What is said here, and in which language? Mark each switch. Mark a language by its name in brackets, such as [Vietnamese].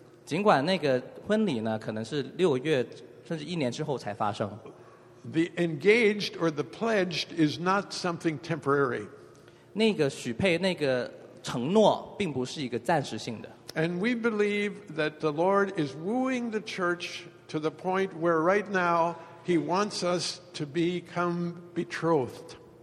[Chinese] 尽管那个婚礼呢可能是六月甚至一年之后才发生。 [English] The engaged or the pledged is not something temporary. [Chinese] 那个许配那个承诺并不是一个暂时性的。 [English] And we believe that the Lord is wooing the church to the point where right now he wants us to become betrothed.